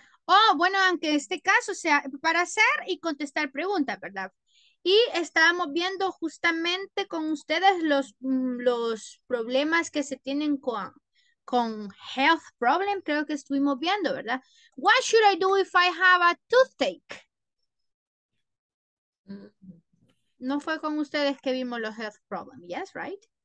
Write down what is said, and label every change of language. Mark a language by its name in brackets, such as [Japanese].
[Spanish] Oh, bueno, aunque en este caso sea para hacer y contestar preguntas, ¿verdad? Y estábamos viendo justamente con ustedes los problemas que se tienen con health problem, creo que estuvimos viendo, ¿verdad? [English] What should I do if I have a toothache? [Spanish] No fue con ustedes que vimos los health problems, yes, right?